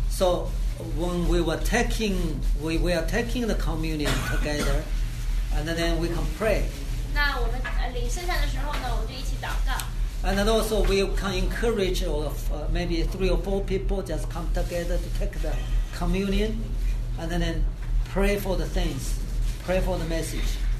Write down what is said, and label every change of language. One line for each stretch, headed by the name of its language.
English: So when we are taking the communion together, and then we can pray.
Chinese: 那我们领圣餐的时候呢，我们就一起祷告。
English: And then also we can encourage maybe three or four people just come together to take the communion, and then pray for the things, pray for the message.